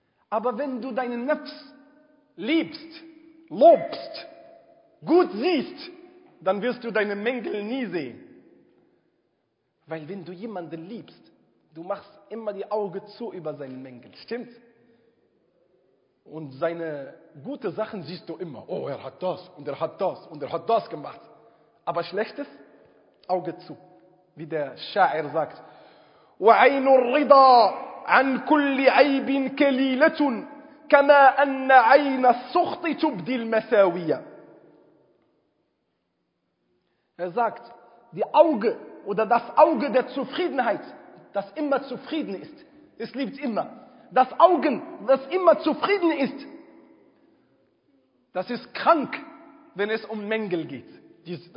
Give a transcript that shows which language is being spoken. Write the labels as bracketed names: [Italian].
[German] Aber wenn du deinen Nafs liebst, lobst, gut siehst, dann wirst du deine Mängel nie sehen. Weil wenn du jemanden liebst, du machst immer die Augen zu über seinen Mängel, stimmt? Und seine gute Sachen siehst du immer. Oh, er hat das und er hat das und er hat das gemacht. Aber Schlechtes, Auge zu. Wie der Scha'ir sagt. [Arabic] وعين الرضا عن كل عيب كليلة كما أن عين السخط تبدي المساوية. [German] Er sagt, die Auge oder das Auge der Zufriedenheit, das immer zufrieden ist, es liebt immer. Das Augen, das immer zufrieden ist, das ist krank, wenn es um Mängel geht.